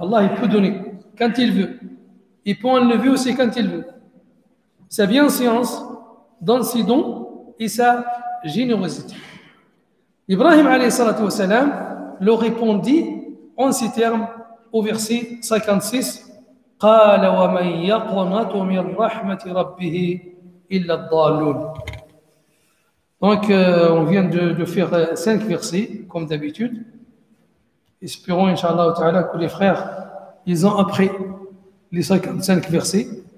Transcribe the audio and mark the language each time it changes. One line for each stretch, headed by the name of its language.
French: Allah, il peut donner quand il veut. Il peut enlever aussi quand il veut. Sa bienséance dans ses dons et sa générosité. Ibrahim alayhi salatu wa salam le répondit en ces termes au verset 56.
Arabic: قال ومن يقنط من رحمة ربه إلا الضالون.
French: Donc on vient de faire 5 versets comme d'habitude. Espérons inchallah ta'ala que les frères ils ont appris les 5 versets.